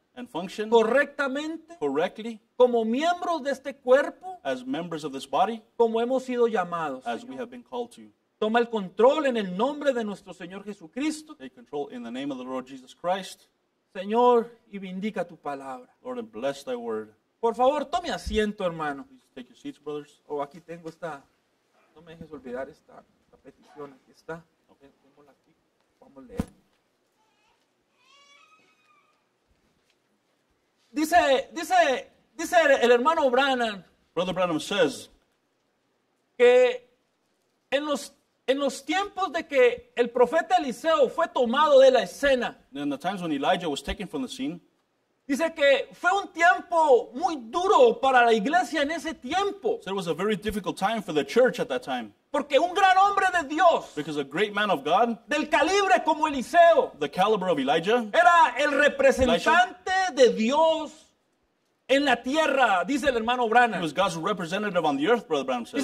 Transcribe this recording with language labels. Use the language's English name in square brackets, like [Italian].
[English] And function. [Spanish] Correctamente. [English] Correctly. [Spanish] Como miembros de este cuerpo. [English] As members of this body. [Spanish] Como hemos sido llamados, [English] as [Spanish] Señor. [English] We have been called to. [Spanish] Toma el control en el nombre de nuestro Señor Jesucristo. [English] Take control in the name of the Lord Jesus Christ. [Spanish] Señor, y bendiga tu palabra. [English] Lord, and bless thy word. [Spanish] Por favor, tome asiento, hermano. [English] Please take your seats, brothers. [Spanish] Oh, aquí tengo esta. No me dejes olvidar esta petición. Aquí está. [English] Okay. [Spanish] Tengola aquí. Vamos a leer. Dice el hermano Branham. [English] Brother Branham says. [Spanish] Que en los tiempos de que el profeta Eliseo fue tomado de la escena. [English] In the times when Elijah was taken from the scene. [Spanish] Dice que fue un tiempo muy duro para la iglesia en ese tiempo. [English] So it was a very difficult time for the church at that time. [Spanish] Porque un gran hombre de Dios. [English] Because a great man of God. [Spanish] Del calibre como Eliseo. [English] The caliber of Elijah. [Spanish] Era el representante Elijah. De Dios. En la tierra, dice el hermano Branham. [English] He was God's representative on the earth, Brother Branham says.